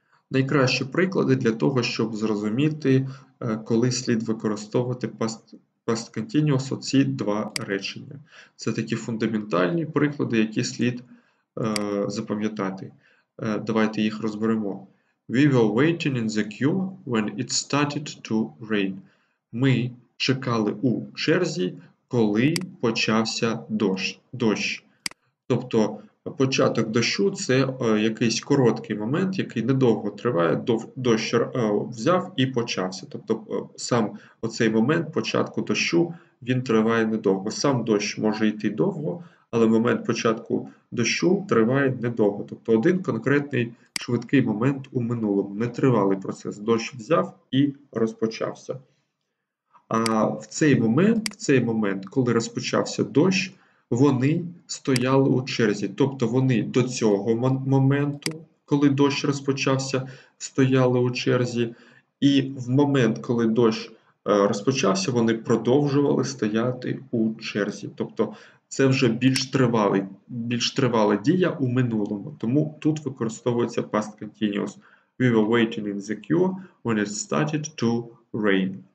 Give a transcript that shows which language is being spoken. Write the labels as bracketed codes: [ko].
[uk] Найкращі приклади для того, щоб зрозуміти, коли слід використовувати past continuous оці два речення. Це такі фундаментальні приклади, які слід запам'ятати. Давайте їх розберемо. [en] «We were waiting in the queue when it started to rain». [uk] «Ми чекали у черзі, коли почався дощ». Тобто початок дощу – це якийсь короткий момент, який недовго триває, дощ взяв і почався. Тобто сам оцей момент початку дощу, він триває недовго. Сам дощ може йти довго, але момент початку дощу триває недовго. Тобто один конкретний швидкий момент у минулому, нетривалий процес. Дощ взяв і розпочався. А в цей момент, коли розпочався дощ, вони стояли у черзі, тобто вони до цього моменту, коли дощ розпочався, стояли у черзі, і в момент, коли дощ розпочався, вони продовжували стояти у черзі. Тобто це вже більш тривала дія у минулому. Тому тут використовується past continuous. [en] We were waiting in the queue when it started to rain.